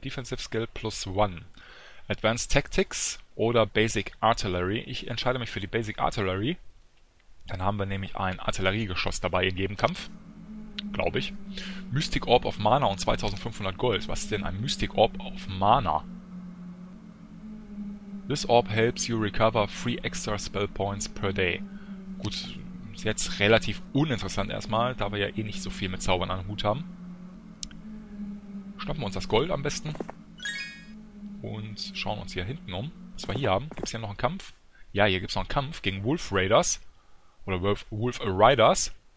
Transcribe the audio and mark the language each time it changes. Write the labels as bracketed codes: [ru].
[de] Defensive Skill plus 1. Advanced Tactics oder Basic Artillery. Ich entscheide mich für die Basic Artillery. Dann haben wir nämlich ein Artilleriegeschoss dabei in jedem Kampf. Glaube ich. Mystic Orb of Mana und 2500 Gold. Was ist denn ein Mystic Orb of Mana? [en] This Orb helps you recover 3 extra Spell Points per day. [de] Gut, ist jetzt relativ uninteressant erstmal, da wir ja eh nicht so viel mit Zaubern an Hut haben. Schnappen wir uns das Gold am besten. Und schauen uns hier hinten um. Was wir hier haben. Gibt es hier noch einen Kampf? Ja, hier gibt es noch einen Kampf gegen Wolf Raiders. Oder Wolf Riders.